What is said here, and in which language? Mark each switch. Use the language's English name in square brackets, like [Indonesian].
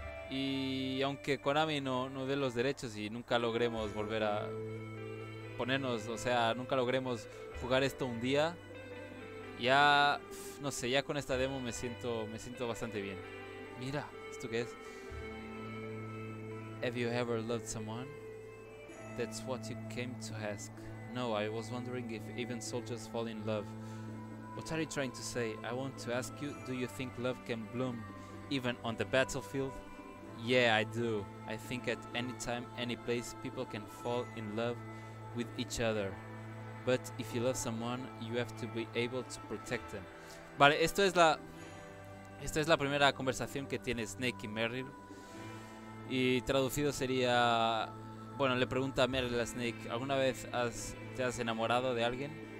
[Spanish] Y aunque Konami no dé los derechos y nunca logremos volver a ponernos, o sea, nunca logremos jugar esto un día, ya, no sé, ya con esta demo me siento bastante bien. Mira, ¿esto qué es? [English] Have you ever loved someone? That's what you came to ask. No, I was wondering if even soldiers fall in love. What are you trying to say? I want to ask you, do you think love can bloom even on the battlefield? Yeah, I do. I think at any time, any place, people can fall in love with each other. But if you love someone, you have to be able to protect them. [Spanish] Vale, esto es la primera conversación que tiene Snake y Meryl. Y traducido sería. Bueno, le pregunta a Meryl a Snake, ¿alguna vez te has enamorado de alguien?